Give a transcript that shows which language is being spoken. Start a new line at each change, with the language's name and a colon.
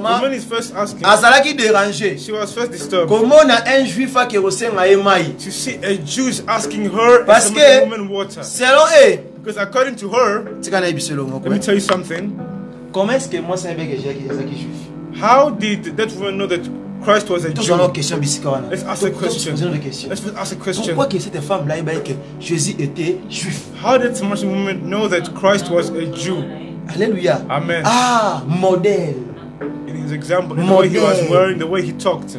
English: man is first asking, she was first disturbed to see a Jew asking her a woman water. Selon because according to her, let me tell you something. How did that woman know that Christ was a Jew? Let's ask a question.
French: Pourquoi que cette femme là il dit que Jésus était juif?
English: How did some women know that Christ was a Jew? Alleluia. Amen. Ah, model. In his example, in the way he was wearing, the way he talked,